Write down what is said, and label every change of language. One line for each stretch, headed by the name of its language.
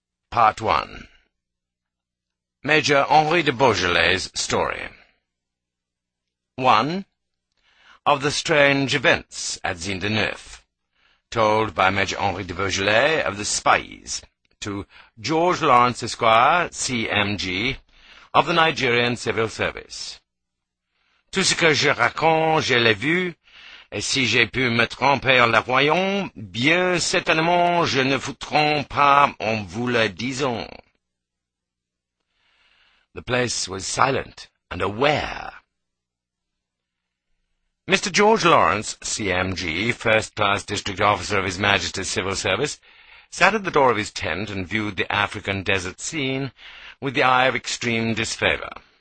English: Part 1. Major Henri de Beaujolais' story. 1. Of the strange events at Zinde-Neuf, told by Major Henri de Beaujolais of the spies, to George Lawrence Esquire, CMG, of the Nigerian Civil Service.
French: Tout ce que je raconte, je l'ai vu, et si j'ai pu me tromper en la voyant, bien certainement je ne vous trompe pas en vous le disant.
English: The place was silent and aware. Mr. George Lawrence, CMG, first-class district officer of His Majesty's Civil Service, sat at the door of his tent and viewed the African desert scene with the eye of extreme disfavour.